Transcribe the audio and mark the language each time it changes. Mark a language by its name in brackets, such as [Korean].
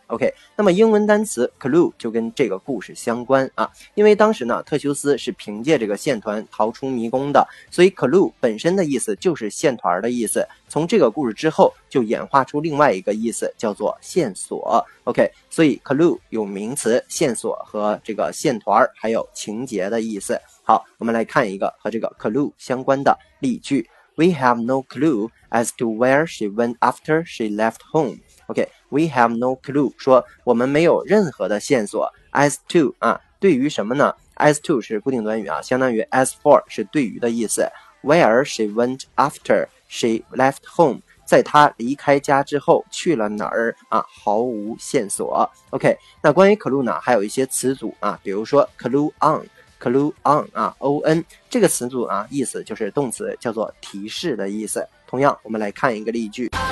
[Chinese] OK， 那么英文单词 clue 就跟这个故事相关啊，因为当时呢忒修斯是凭借这个线团逃出迷宫的，所以 clue 本身的意思就是线团的意思，从这个故事之后就演化出另外一个意思叫做线索。 OK， 所以 clue 有名词线索和这个线团还有情节的意思。好，我们来看一个和这个 clue 相关的例句。 [English] We have no clue as to where she went after she left home. OK, we have no clue. [Chinese] 说我们没有任何的线索。 [English] As to, [Chinese] 啊，对于什么呢？ [English] As to [Chinese] 是固定短语啊，相当于 [English] as for [Chinese] 是对于的意思。 [English] Where she went after she left home. [Chinese] 在她离开家之后去了哪儿啊，毫无线索。 OK, 那关于 clue 呢，还有一些词组啊，比如说 clue on。 Clue on 啊 ，on 这个词组啊，意思就是动词叫做提示的意思。同样，我们来看一个例句。